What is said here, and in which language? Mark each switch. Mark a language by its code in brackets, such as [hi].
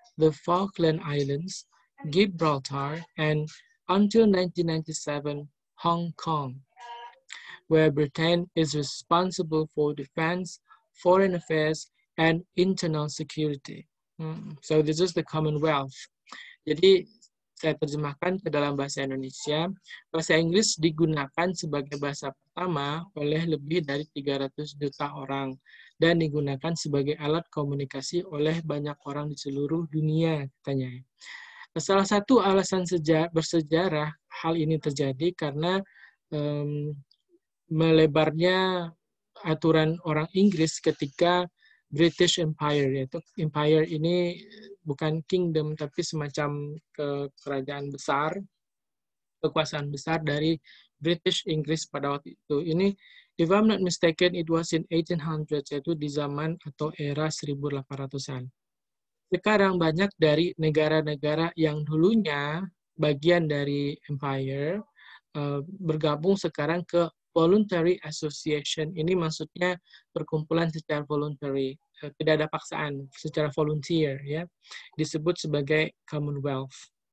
[en] the Falkland Islands, Gibraltar, and until 1997, Hong Kong, where Britain is responsible for defense, foreign affairs, and internal security. So this is the Commonwealth. [id] Jadi, saya terjemahkan ke dalam bahasa Indonesia, bahasa Inggris digunakan sebagai bahasa pertama oleh lebih dari 300 juta orang dan digunakan sebagai alat komunikasi oleh banyak orang di seluruh dunia, katanya. Salah satu alasan bersejarah hal ini terjadi karena melebarnya aturan orang Inggris ketika British Empire, yaitu Empire ini bukan kingdom, tapi semacam kerajaan besar, kekuasaan besar dari British Inggris pada waktu itu. [en] Ini, if I'm not mistaken, it was in 1800s, [id] yaitu di zaman atau era 1800-an. Sekarang banyak dari negara-negara yang dulunya bagian dari Empire bergabung sekarang ke Voluntary Association. Ini maksudnya perkumpulan secara voluntary, tidak ada paksaan, secara volunteer, ya, disebut sebagai Commonwealth.